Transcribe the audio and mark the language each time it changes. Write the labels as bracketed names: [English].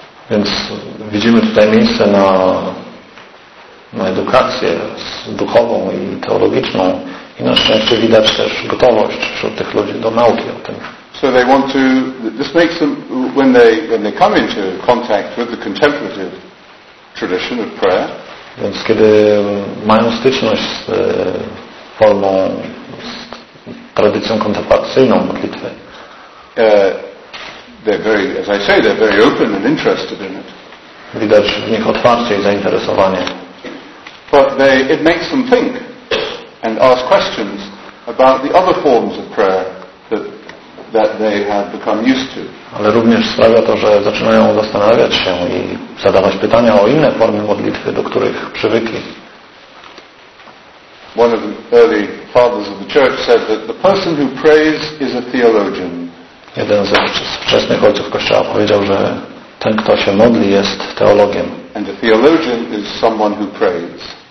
[Polish] Więc widzimy tutaj miejsce na edukację duchową i teologiczną, i na szczęście widać też gotowość wśród tych ludzi do nauki o tym. [English] So they want to. This makes them when they come into contact with the contemplative tradition of prayer. [Polish] Więc kiedy mają styczność z formą, z tradycją kontemplacyjną modlitwy. [English] They're very open and interested in it. [Polish] Widać w nich otwarcie i zainteresowanie. [English] But it makes them think and ask questions about the other forms of prayer that they have become used to. [Polish] Ale również sprawia to, że zaczynają zastanawiać się i zadawać pytania o inne formy modlitwy, do których przywykli. [English] One of the early fathers of the church said that the person who prays is a theologian. [Polish] Jeden z wczesnych ojców Kościoła powiedział, że ten, kto się modli, jest teologiem. [English] And a theologian is someone who prays.